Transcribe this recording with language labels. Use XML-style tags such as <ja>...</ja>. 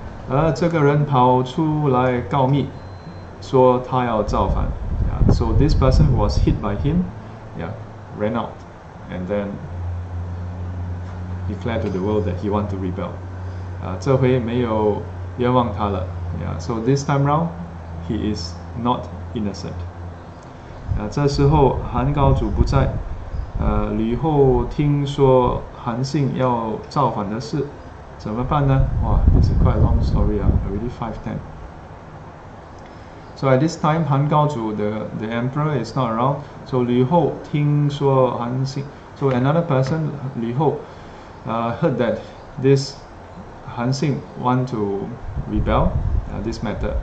<zh>而这个人跑出来告密, 说他要造反,</zh> <en>yeah, so this person was hit by him, yeah, ran out, and then declared to the world that he want to rebel.</en> <zh>这回没有冤枉他了,</zh> <en>yeah, so this time round, he is not innocent.</en> <zh>这时候韩高祖不在, 吕后听说韩信要造反的事, 怎么办呢?</zh> <en>Wow, this is quite a long story, already 5:10. So at this time, 韩高祖, the emperor is not around, so</en> <zh>吕后听说韩信,</zh> <en>so another person, 吕后, heard that this Han Xing want to rebel this matter.</en>